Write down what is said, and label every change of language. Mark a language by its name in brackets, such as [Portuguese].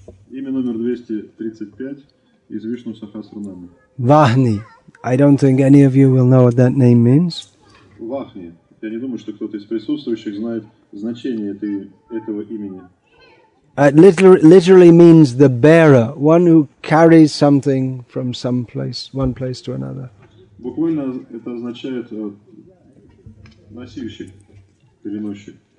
[Russian] Имя номер 235 из Вишну Сахасранамы. Вахни. [English] I don't think any of you will know what that name means. [Russian] Вахни. Я не думаю, что кто-то из присутствующих знает значение этого имени. [English] It literally means the bearer, one who carries something from some place, one place to another. [Russian] Буквально это означает носильщик, переносчик.